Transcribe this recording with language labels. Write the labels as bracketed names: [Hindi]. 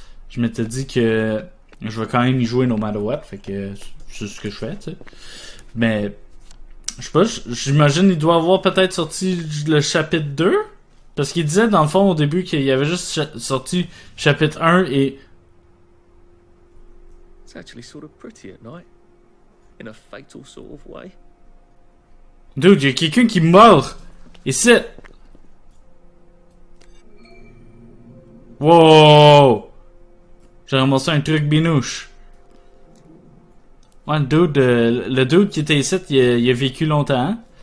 [French] Je m'étais dit que. Je vais quand même y jouer [English] no matter what, [French] fait que c'est ce que je fais, tu sais. Mais Je sais pas, j'imagine qu'il doit avoir peut-être sorti le chapitre 2. Parce qu'il disait dans le fond au début qu'il avait juste sorti chapitre 1 et. [English] It's actually sort of pretty at night, in a fatal sort of way. [French] Dude, y'a quelqu'un qui meurt! Et c'est. Wow! J'ai ramassé un truc binouche. Ouais, le dude qui était ici, il a vécu longtemps.